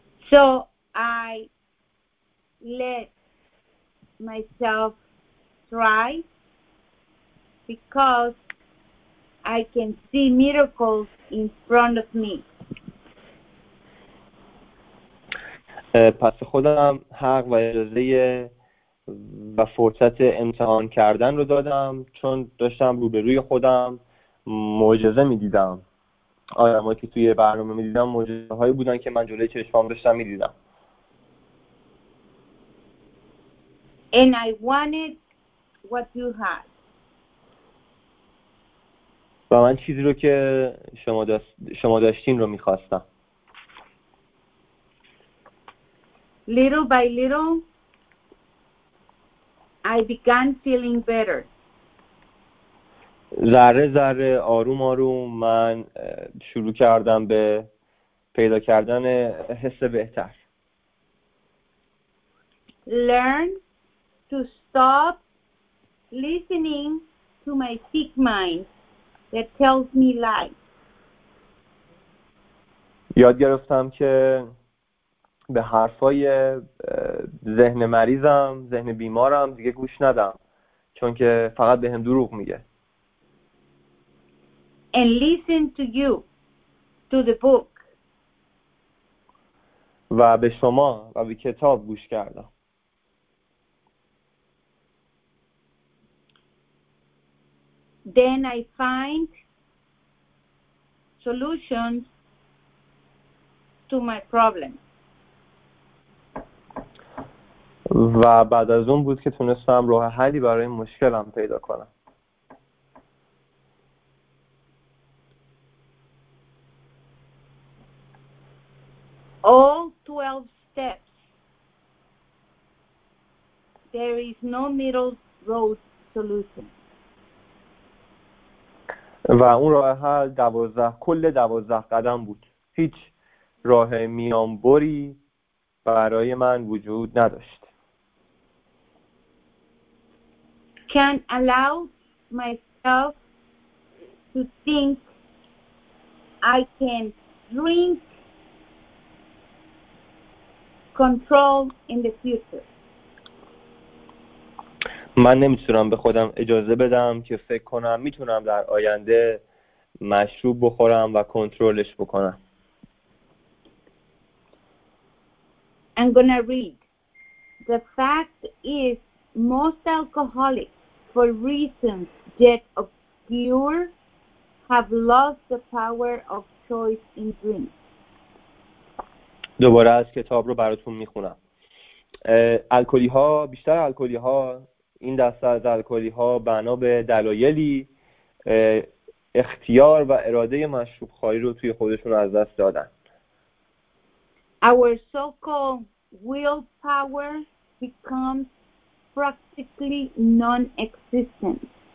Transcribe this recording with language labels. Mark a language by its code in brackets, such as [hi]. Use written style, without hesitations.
[en] So I let myself try because I can see miracles in front of me. [fa] پس خودم حق و اجازه و فرصت امتحان کردن رو دادم چون داشتم روبروی خودم معجزه میدیدم. آدمایی که توی برنامه میدیدم معجزه هایی بودن که من جلوی چشمام داشتم میدیدم. [en] And I wanted what you had. [fa] و من چیزی رو که شما داشتین رو میخواستم. [en] Little by little I began feeling better. [fa] ذره ذره آروم آروم من شروع کردم به پیدا کردن حس بهتر. [en] Learn to stop listening to my sick mind that tells me lies. [fa] یاد گرفتم که به حرفای ذهن مریضم، ذهن بیمارم دیگه گوش ندم چون که فقط به هم دروغ میگه. [en] And listen to you, to the book. [fa] و به شما و به کتاب گوش کردم. [en] Then I find solutions to my problems. [fa] و بعد از اون بود که تونستم راه حلی برای مشکلم پیدا کنم. [en] All 12 steps. There is no middle road solution. [fa] و اون راه حل 12 کل 12 قدم بود. هیچ راه میانبری برای من وجود نداشت. [en] Can allow myself to think I can drink control in the future. [fa] من نمیتونم به خودم اجازه بدم که فکر کنم میتونم در آینده مشروب بخورم و کنترلش بکنم. [en] I'm going to read. The fact is most alcoholics for reasons yet obscure have lost the power of choice in drink. [fa] دوباره از کتاب رو براتون میخونم. الکلی ها بیشتر الکلی ها این دسته از الکلی ها بنا به دلایلی اختیار و اراده مشروب خواهی رو توی خودشون از دست دادن. [en] Our so-called willpower becomes practically non-existent.